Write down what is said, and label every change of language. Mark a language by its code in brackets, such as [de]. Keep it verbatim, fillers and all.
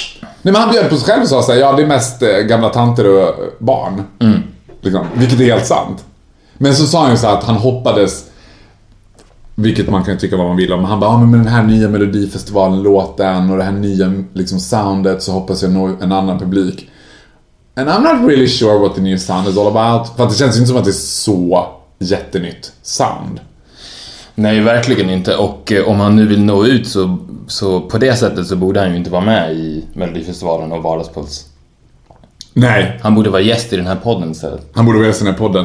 [sv] Nej, men han bjöd på sig själv och sa såhär, ja, det är mest eh, gamla tanter och barn. Mm. Liksom, vilket är helt sant. Men så sa han ju så här att han hoppades, vilket man kan tycka vad man vill om. Han bara, ah, men med den här nya Melodifestivalen-låten och det här nya liksom, soundet, så hoppas jag nå en annan publik. [en] And I'm not really sure what the new sound is all about. [sv] För att det känns inte som att det är så jättenytt sound. Nej, verkligen inte. Och eh, om han nu vill nå ut så, så på det sättet så borde han ju inte vara med i Melodifestivalen och Vardagspuls. Nej. Han borde vara gäst i den här podden så. Han borde vara gäst i den här podden.